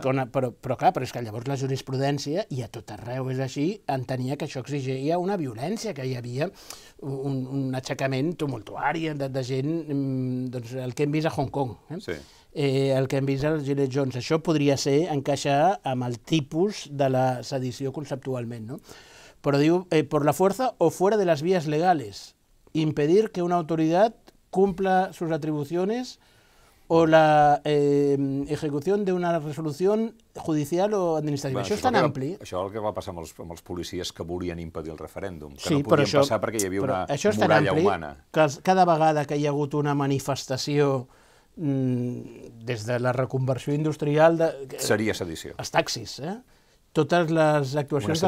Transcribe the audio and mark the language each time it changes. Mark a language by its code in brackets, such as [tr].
[ca] Però clar, però és que llavors la jurisprudència, i a tot arreu és així, entenia que això exigia una violència, que hi havia un aixecament tumultuari de gent, doncs el que hem vist a Hong Kong. El que hem vist als Gilets Jones. Això podria ser encaixar amb el tipus de la sedició conceptualment, no? Però diu, [es] por la fuerza o fuera de las vías legales, impedir que una autoridad cumpla sus atribuciones o la ejecución de una resolución judicial o administrativa. [ca] Bueno, això és tan ampli. Això és el que va passar amb els policies que volien impedir el referèndum, que no podien passar perquè hi havia una muralla humana. Això és tan ampli que cada vegada que hi ha hagut una manifestació des de la reconversió industrial... Seria sedició. Els taxis, totes les actuacions